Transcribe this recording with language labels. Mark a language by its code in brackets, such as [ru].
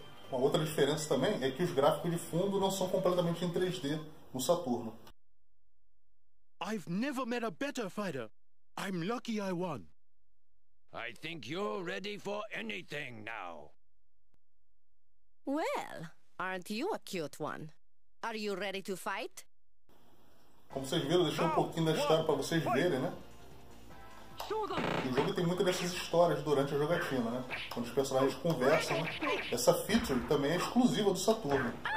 [pt] Uma outra diferença também é que os gráficos de fundo não são completamente em 3D no Saturno. [en] I've never met a better fighter. I'm lucky I won. I think you're ready for anything now. Well, aren't you a cute one? Are you ready to fight? [pt] Como vocês viram, eu deixei um pouquinho da história para vocês verem, né? E o jogo tem muitas dessas histórias durante a jogatina, né? Quando os personagens conversam, né? Essa feature também é exclusiva do Saturno.